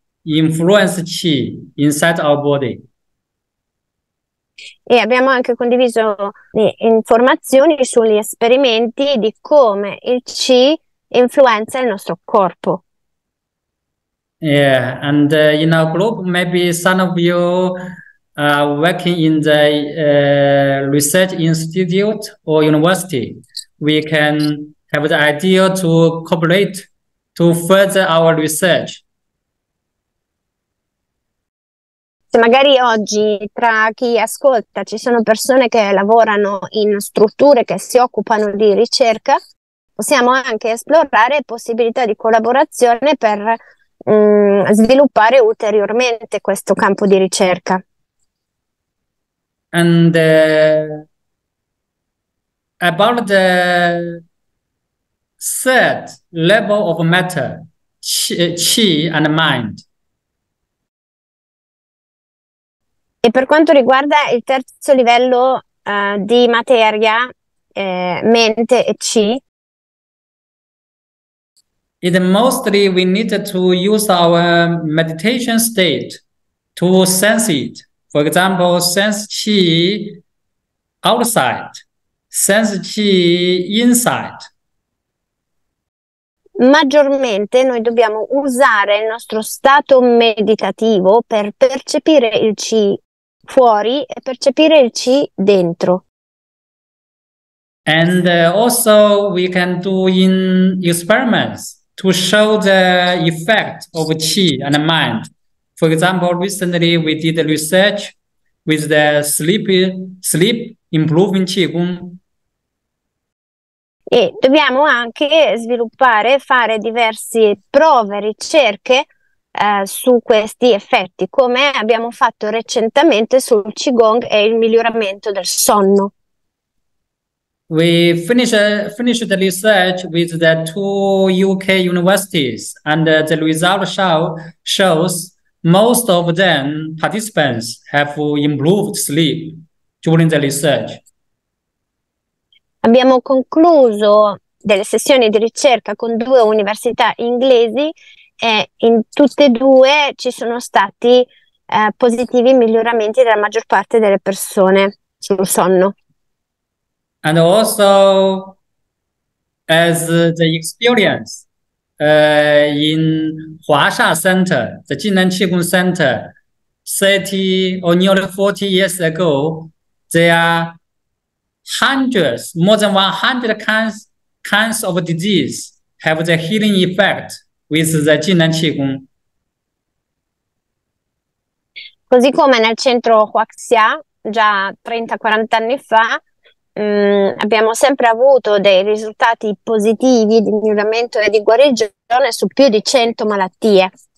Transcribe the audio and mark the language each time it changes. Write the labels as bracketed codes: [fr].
[en] influence qi inside our body. [it] E abbiamo anche condiviso informazioni sugli esperimenti di come il qi influenza il nostro corpo. [en] Yeah, and in our group, maybe some of you are working in the research institute or university. We can have the idea to cooperate to further our research. [it] Se magari oggi tra chi ascolta ci sono persone che lavorano in strutture che si occupano di ricerca, possiamo anche esplorare possibilità di collaborazione per sviluppare ulteriormente questo campo di ricerca. [en] And about the third level of matter, qi and mind. [it] E per quanto riguarda il terzo livello di materia, mente e qi, [en] it mostly we need to use our meditation state to sense it. For example, sense qi outside, sense qi inside. [it] Maggiormente noi dobbiamo usare il nostro stato meditativo per percepire il qi fuori e percepire il qi dentro. [en] And also we can do in experiments to show the effect of qi and mind. For example, recently we did a research with the sleep improving qigong. [it] E dobbiamo anche sviluppare, fare diverse prove, ricerche su questi effetti, come abbiamo fatto recentemente sul qigong e il miglioramento del sonno. [en] We finished the research with the two UK universities, and the result shows most of them participants have improved sleep during the research. [it] Abbiamo concluso delle sessioni di ricerca con due università inglesi e in tutte e due ci sono stati positivi miglioramenti della maggior parte delle persone sul sonno. [en] And also, as the experience in Huasha Center, the Jinan Qigong Center, 30 or nearly 40 years ago, there are hundreds, more than 100 kinds of disease have the healing effect with the Jinan Qigong. [it] Così come nel centro Huaxia, già 30-40 anni fa, abbiamo sempre avuto dei risultati positivi di miglioramento e di guarigione su più di 100 malattie.